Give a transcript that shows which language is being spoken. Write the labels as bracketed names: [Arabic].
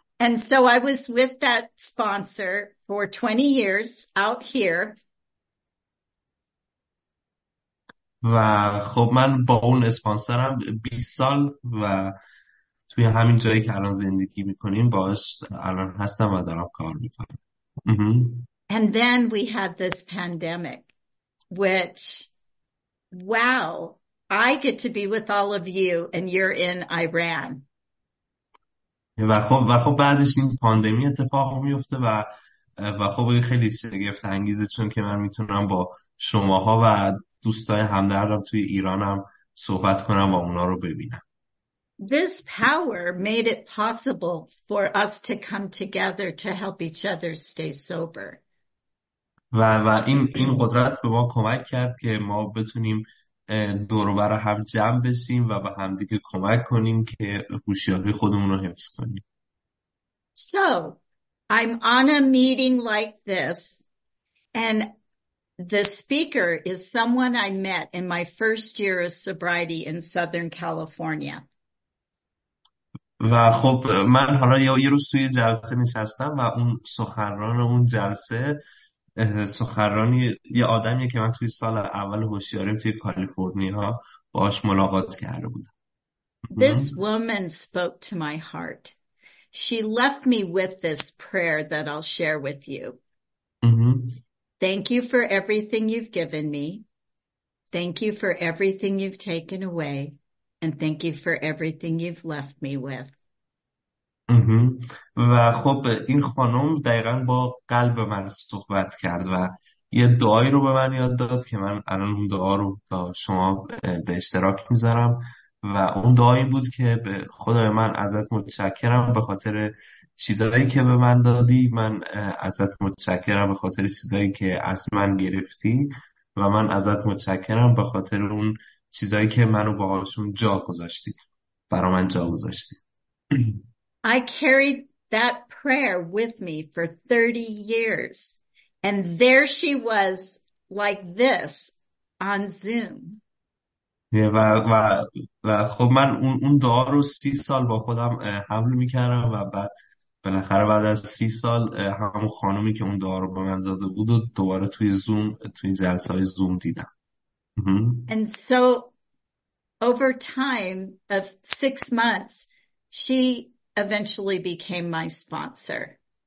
[English] And so I was with that sponsor for 20 years out here. [Persian] و خب من با اون اسپانسرم 20 سال و توی همین جایی که الان زندگی میکنیم باش الان هستم و دارم کار میکنم. [English] And then we had this pandemic, which, wow, I get to be with all of you and you're in Iran. [Persian] و خب بعدش این پاندمی اتفاق میفته و خب خیلی شگفت انگیزه، چون که من میتونم با شماها و دوستای همدردم توی ایرانم صحبت کنم و اونا رو ببینم. [English] This power made it possible for us to come together to help each other stay sober. [Persian] و این قدرت به ما کمک کرد که ما بتونیم دور و بر هم جمع بشیم و به هم دیگه کمک کنیم که هوشیاری خودمون رو حفظ کنیم. [English] So, I'm on a meeting like this, and the speaker is someone I met in my first year of sobriety in Southern California. [Persian] و خب من حالا یه روز توی جلسه نشستم و اون سخنران اون جلسه سخنرانی یه آدمیه که من توی سال اول هوشیاریم توی کالیفرنیا باش ملاقات کرده بودم. [English] This woman spoke to my heart. She left me with this prayer that I'll share with you. Thank you for everything you've given me. Thank you for everything you've taken away. And thank you for everything you've left me with. [Persian] و خب این خانم دقیقا با قلب من صحبت کرد و یه دعایی رو به من یاد داد که من الان اون دعا رو با شما به اشتراک میذارم و اون دعایی بود که خدای من ازت متشکرم به خاطر چیزایی که به من دادی، من ازت متشکرم به خاطر چیزایی که از من گرفتی و من ازت متشکرم به خاطر اون چیزایی که منو باهاشون جا گذاشتی، برا من جا گذاشتی. [English] I carried that prayer with me for 30 years. And there she was like this on Zoom. [Persian] و خب من اون دعا رو 30 سال با خودم حمل میکردم و بعد بالاخره بعد از 30 سال همون خانومی که اون دعا رو به من زده بود و دوباره توی زوم، توی جلسه های زوم دیدم. [English] And so over time of 6 months, she eventually became my sponsor.